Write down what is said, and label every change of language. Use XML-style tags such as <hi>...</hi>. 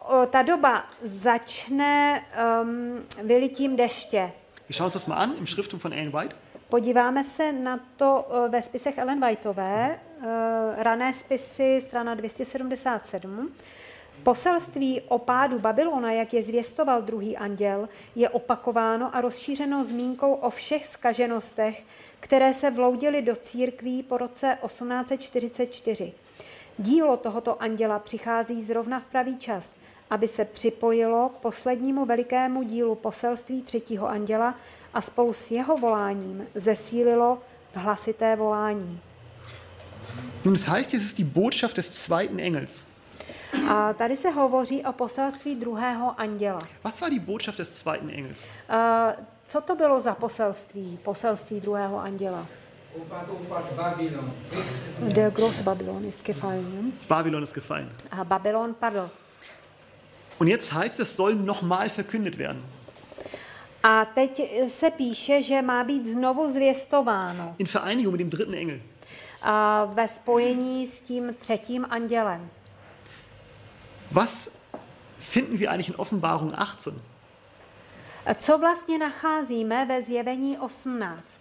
<cs>Ta doba začne vylitím deště.</cs> <de>Wir schauen uns das mal an im Schrifttum von Ellen White.</de> <cs>Podíváme se na to ve spisech Ellen Whiteové, rané spisy, strana 277. Poselství o pádu Babylona, jak je zvěstoval druhý anděl, je opakováno a rozšířeno zmínkou o všech zkaženostech, které se vloudily do církví po roce 1844. Dílo tohoto anděla přichází zrovna v pravý čas, aby se připojilo k poslednímu velikému dílu poselství třetího anděla a spolu s jeho voláním zesílilo v hlasité volání.</cs> <de>Nun, es heißt, es ist die Botschaft des zweiten Engels.</de> <cs>A tady se hovoří o poselství druhého anděla.</cs> <de>Was war die Botschaft des zweiten Engels?</de> <cs>Co to bylo za poselství druhého anděla?</cs> <de>Babylon. Der große Babylon ist gefallen. Babylon ist gefallen.</de> <cs>A Babylon padl.</cs> <de>Und jetzt heißt es, soll nochmal verkündet werden.</de> <cs>A teď se píše, že má být znovu zvěstováno.</cs> <de>In Vereinigung mit dem dritten Engel.</de> <cs>Ve spojení s tím třetím andělem.</cs> <de>Was finden wir eigentlich in Offenbarung 18?</de> <cs>Co vlastně nacházíme ve zjevení 18?</cs>